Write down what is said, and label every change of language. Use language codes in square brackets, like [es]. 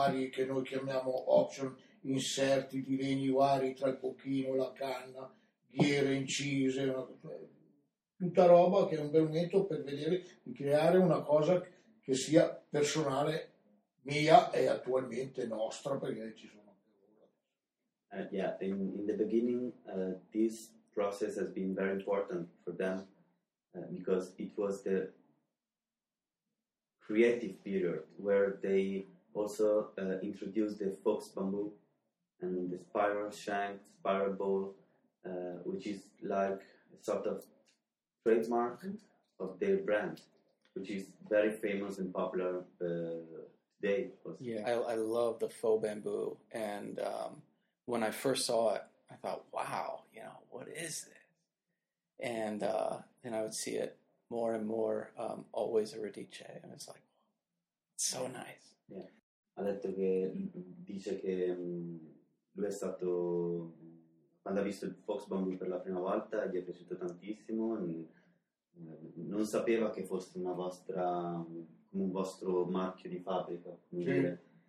[it] che noi chiamiamo option, inserti di legni vari tra il bocchino, la canna, ghiere incise, tutta roba che è un bel momento per vedere di creare una cosa che sia personale mia e attualmente nostra, perché ci sono ancora. [en] Yeah, in the beginning this process has been very important for them because it was the creative period where they also introduced the fox bamboo and the spiral shank, spiral bowl, which is like a sort of trademark of their brand, which is very famous and popular today. Yeah, I love the faux bamboo. And when I first saw it, I thought, wow, you know, what is it? And then I would see it more and more, always a Radice. And it's like, so nice. Yeah. [it] Ha detto che dice che lui è stato, quando ha visto il Fox Bamboo per la prima volta, gli è piaciuto tantissimo. Non sapeva che fosse una vostra, un vostro marchio di fabbrica, come sì. dire.